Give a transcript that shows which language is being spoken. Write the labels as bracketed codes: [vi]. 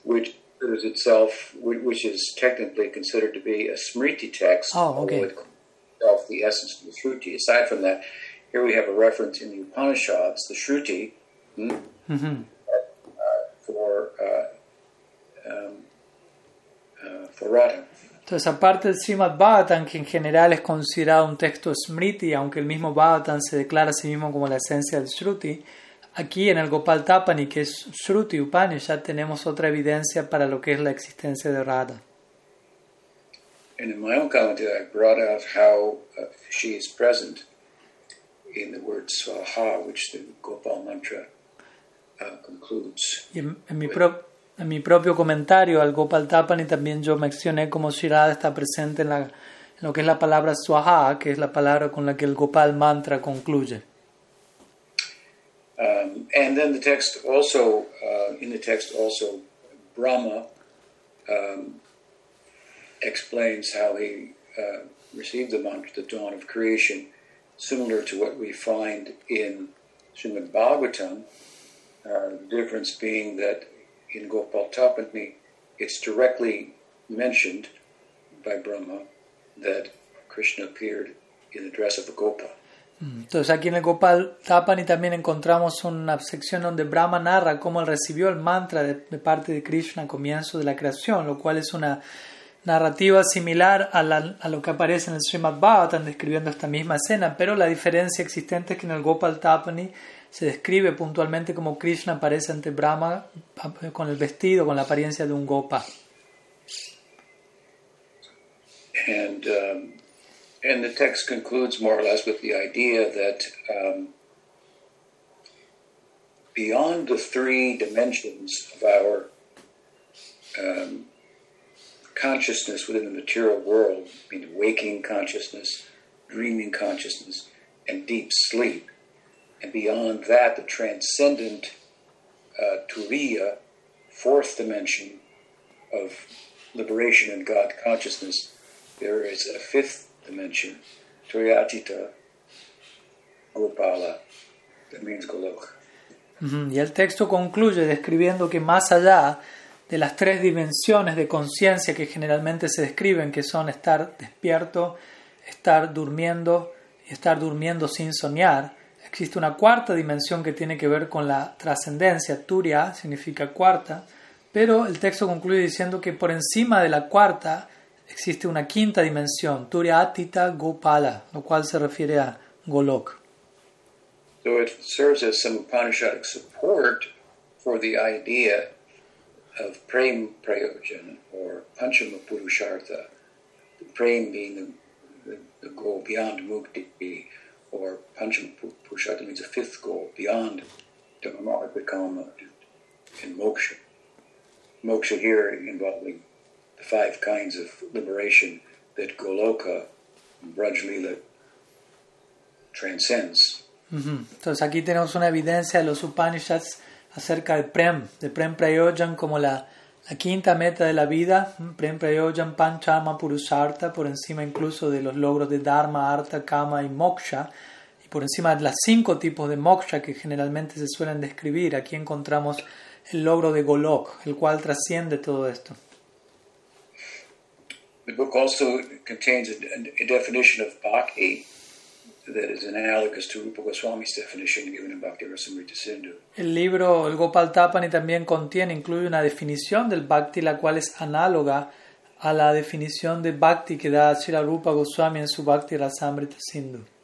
[en] which is technically considered to be a Smriti text, although the essence of the Shruti. Aside from that, here we have a reference in the Upanishads, the Shruti, for Radha. [es] Entonces, aparte del Srimad Bhagavatam, que en general es considerado un texto Smriti, aunque el mismo Bhagavatam se declara a sí mismo como la esencia del Shruti, aquí en el Gopal Tapani, que es Shruti Upanishad, ya tenemos otra evidencia para lo que es la existencia de Radha. [en] And in my own commentary, I brought out how she is present in the word Swaha, which the Gopal mantra concludes. [es] En mi propio comentario al Gopal Tapani también yo mencioné cómo Shirada está presente en, en lo que es la palabra Swaha, que es la palabra con la que el Gopal Mantra concluye. [en] And then the text also, in the text also, Brahma explains how he received the mantra, the dawn of creation, similar to what we find in Srimad Bhagavatam, the difference being that in Gopal Tapani, it's directly mentioned by Brahma that Krishna appeared in the dress of a Gopa. [es] Entonces aquí en el Gopal Tapani también encontramos una sección donde Brahma narra cómo él recibió el mantra de parte de Krishna al comienzo de la creación, lo cual es una narrativa similar a lo que aparece en el Srimad Bhagavatam describiendo esta misma escena, pero la diferencia existente es que en el Gopal Tapani se describe puntualmente como Krishna aparece ante Brahma con el vestido, con la apariencia de un Gopa. [en] And the text concludes more or less with the idea that beyond the three dimensions of our consciousness within the material world, meaning waking consciousness, dreaming consciousness, and deep sleep, and beyond that, the transcendent Turiya, fourth dimension of liberation and God consciousness, there is a fifth dimension, Turiyatita Gopala, that means Goloka. Mm-hmm. [es] Y el texto concluye describiendo que más allá de las tres dimensiones de conciencia que generalmente se describen, que son estar despierto, estar durmiendo y estar durmiendo sin soñar, existe una cuarta dimensión que tiene que ver con la trascendencia. Turia significa cuarta, pero el texto concluye diciendo que por encima de la cuarta existe una quinta dimensión, Turia Atita Gopala, lo cual se refiere a Golok. [en] So it serves as some Upanishadic support for the idea of Prem Prayojan or Panchama Purushartha, the Prem being the goal beyond Mukti, or Panchama Purushartha means a fifth goal beyond Dharma, Vikama, and Moksha. Moksha here involving the five kinds of liberation that Goloka, Brajlila, transcends. Mm-hmm. [es] Entonces aquí tenemos una evidencia de los Upanishads acerca del Prem, de Prem Prayojan como la quinta meta de la vida, Prem Prayojan, Panchama Purushartha, por encima incluso de los logros de Dharma, Artha, Kama y Moksha. Por encima de las cinco tipos de moksha que generalmente se suelen describir, aquí encontramos el logro de Golok, el cual trasciende todo esto. [en] The book also contains a definition of bhakti that is analogous to Rupa Goswami's definition given in Bhakti Rasamrita Sindhu. [es] El libro, el Gopal Tapani, también contiene, incluye una definición del bhakti, la cual es análoga a la definición de bhakti que da Srila Rupa Goswami en su Bhakti Rasamrita Sindhu.